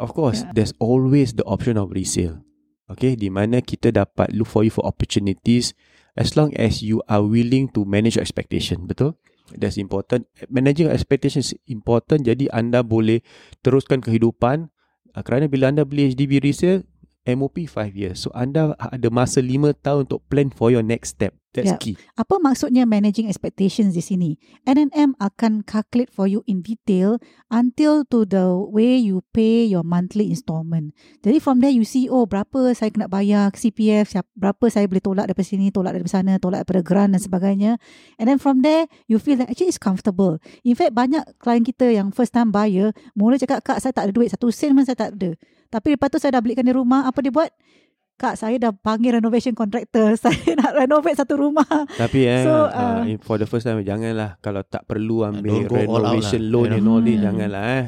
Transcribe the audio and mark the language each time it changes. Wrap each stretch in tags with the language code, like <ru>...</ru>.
<en>But of course, there's always the option of resale. Okay,</en> <ms>di mana kita dapat</ms> <en>look for you for opportunities as long as you are willing to manage your expectation. Betul? That's important. Managing expectations important.</en> <ms>Jadi anda boleh teruskan kehidupan. Kerana bila anda beli HDB resale, MOP 5 years.</ms> <en>So</en> <ms>anda ada masa 5 tahun untuk</ms> <en>plan for your next step. That's key.</en> <ms>Apa maksudnya managing expectations di sini?</ms> <en>NNM akan calculate for you in detail until to the way you pay your monthly installment.</en> <ms>Jadi</ms> <en>from there you see,</en> <ms>oh, berapa saya kena bayar CPF, berapa saya boleh tolak daripada sini, tolak daripada sana, tolak daripada grant dan sebagainya.</ms> <en>And then from there you feel that actually it's comfortable. In fact,</en> <ms>banyak klien kita yang first time buyer mula cakap, kak, saya tak ada duit, satu sen pun saya tak ada. Tapi lepas tu saya dah belikan dia rumah, apa dia buat? Kak, saya dah panggil renovation contractor. Saya nak renovate satu rumah. Tapi</ms> <en>for the first time,</en> <ms>janganlah kalau tak perlu ambil</ms> <en>renovation loan and all this,</en> <ms>janganlah.</ms>